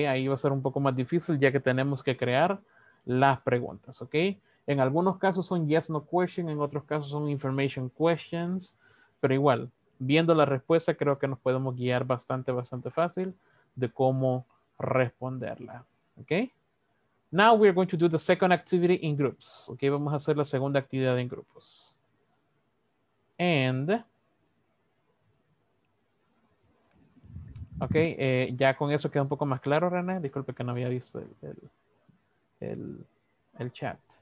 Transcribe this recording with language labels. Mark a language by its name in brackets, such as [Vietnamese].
[Spanish] Ahí va a ser un poco más difícil ya que tenemos que crear las preguntas, ¿ok? En algunos casos son [English] yes, no questions, [Spanish] en otros casos son [English] information questions, [Spanish] pero igual, viendo la respuesta, creo que nos podemos guiar bastante, bastante fácil de cómo responderla. ¿Ok? [English] Now we're going to do the second activity in groups. [Spanish] ¿Ok? Vamos a hacer la segunda actividad en grupos. And. ¿Ok? Ya con eso queda un poco más claro, René. Disculpe que no había visto el chat.